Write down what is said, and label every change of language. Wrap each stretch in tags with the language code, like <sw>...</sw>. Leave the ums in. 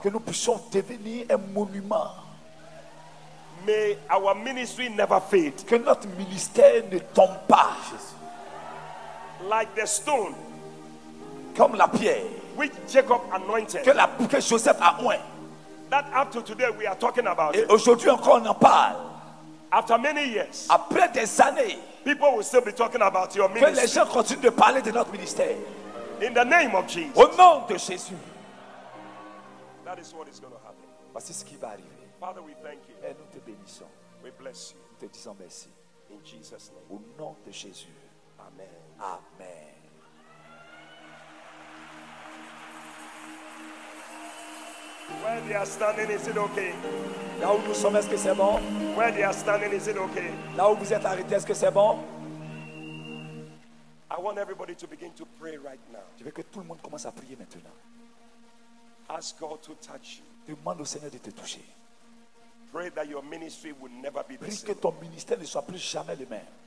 <fr>Que nous puissions devenir un monument.</fr> <en>May our ministry never fade.</en> <fr>Que notre ministère ne tombe pas.</fr> <en>Jesus. Like the stone.</en> <fr>Comme la pierre.</fr> <en>with Jacob anointed.</en> <fr>Que, la, que Joseph a oint.</fr> <en>That up to today we are talking about.</en> <fr>Et aujourd'hui encore on en parle.</fr> <en>After many years.</en> <fr>Après des années.</fr> <en>People will still be talking about your ministry.</en> <fr>Que les gens continuent de parler de notre ministère.</fr> <en>In the name of Jesus.</en> <fr>Au nom de Jésus.</fr> <en>That is what is going to happen.</en> <fr>Voici ce qui va arriver.</fr> <en>Father, we thank you.</en> <fr>Et nous te bénissons.</fr> <en>We, we, you. And we, we and bless you.</en> <fr>Nous te disons merci.</fr> <en>In Jesus name. name.</en> <fr>Au nom de Jésus. Amen. Amen. Amen.</fr> <en>Where they are standing, is it okay?</en> <fr>Là où nous sommes, est-ce que c'est bon?</fr> <en>Where they are standing, is it okay?</en> <fr>Là où vous êtes arrêté, est-ce que c'est bon?</fr> <en>I want everybody to begin to pray right now.</en> <fr>Je veux que tout le monde commence à prier maintenant.</fr> <en>Ask God to touch you.</en> <fr>Je demande au Seigneur de te toucher.</fr> <en>Pray that your ministry will never be the</en> <fr>Prie que ton ministère ne soit plus jamais le même.</fr>